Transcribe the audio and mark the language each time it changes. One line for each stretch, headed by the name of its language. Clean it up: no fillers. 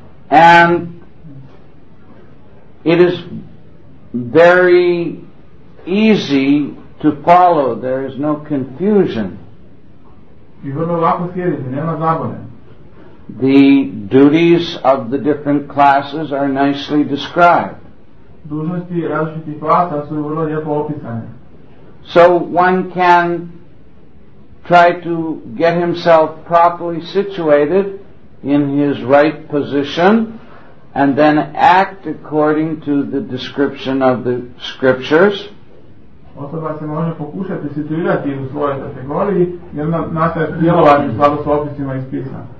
English: And it is very easy to follow, there is no confusion.
Croatian: I vrlo lako slijediti, nema zabune.
English: The duties of the different classes are nicely described.
Croatian: Dužnosti različitih klasa su vrlo lijepo opisane.
English: So one can try to get himself properly situated in his right position and then act according to the description of the scriptures.
Croatian: Osoba se može pokušati situirati u svojoj kategoriji i onda nastaviti djelovati u skladu s opisima iz pisma.